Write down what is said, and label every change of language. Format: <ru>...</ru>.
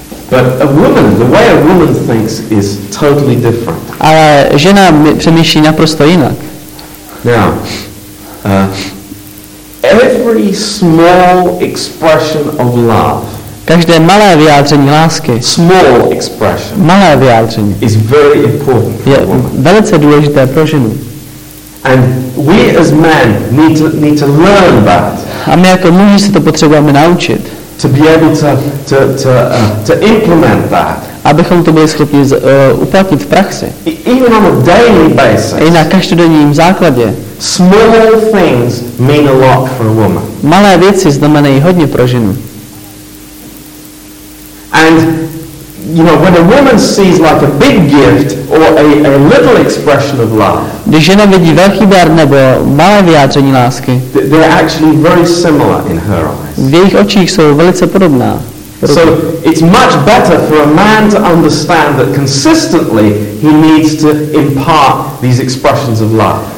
<en>But a woman, the way a woman thinks is totally different.</en> <cs>A žena přemýšlí naprosto jinak.</cs> <en>Now, every small expression of love.</en> <cs>Každé malé vyjádření lásky.</cs> <en>Small expression.</en> <cs>Malé vyjádření.</cs> <en>Is very important for a woman.</en> <cs>Velice důležité pro ženu.</cs> <en>And we as men need to learn that.</en> <cs>A my jako muži se to potřebujeme naučit.</cs> <en>to be able to implement that.</en> <cs>Abychom to byli schopni uplatnit v praxi.</cs> <en>Even on a daily basis.</en> <cs>I na každodenním základě.</cs> <en>Small things mean a lot for a woman.</en> <cs>Malé věci znamenají hodně pro ženu.</cs> <en>And you know, when a woman sees like a big gift or a little expression of love.</en> <cs>Když žena vidí velký dar nebo malé vyjádření lásky.</cs> <en>They're actually very similar in her eyes.</en> <cs>V jejich očích jsou velice podobná.</cs> <en>So it's much better for a man to understand that consistently he needs to impart these expressions of love.</en>